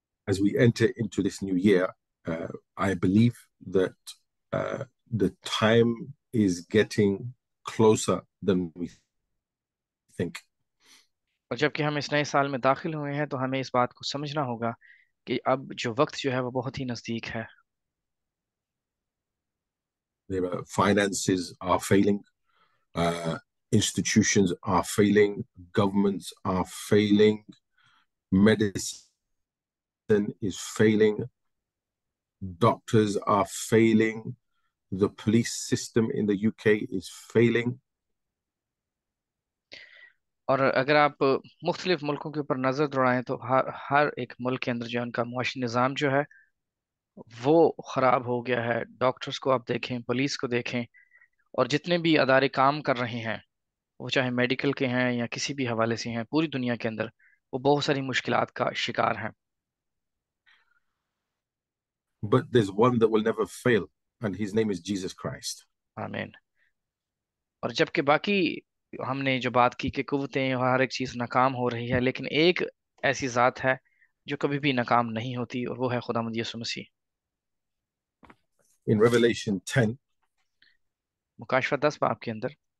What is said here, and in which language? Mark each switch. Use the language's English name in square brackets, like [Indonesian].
[English] As we enter into this new year I believe that The time is getting closer than we think. [Hindi] और जबकि हम इस नए साल में दाखिल हुए हैं तो हमें इस बात को समझना होगा कि अब जो वक्त जो है वो बहुत ही नजदीक है। [English] Finances are failing, institutions are failing, governments are failing, medicine is failing, doctors are failing. The police system in the UK is failing. [Hindi] और अगर आप मुख्तलिफ मुल्कों के ऊपर नज़र दौड़ाएं तो हर एक मुल्क के अंदर जो है उनका मुआशी निज़ाम जो है वो ख़राब हो गया है। डॉक्टर्स को आप देखें, पुलिस को देखें, और जितने भी अदारे काम कर रहे हैं वो चाहे मेडिकल के हैं या किसी भी हवाले से हैं, पूरी दुनिया के अंदर वो बहुत सारी मुश्किलात का शिकार हैं। [English] But there's one that will never fail. And his name is Jesus Christ. [Hindi] आमीन। और जबकि बाकी हमने जो बात की कि कुवतें और हर एक चीज़ नाकाम हो रही है, लेकिन एक ऐसी ज़ात है जो कभी भी नाकाम नहीं होती और वो है खुदावंद यीशु मसीह। [English] In Revelation 10, [Hindi] मुकाशवा 10 बाब के अंदर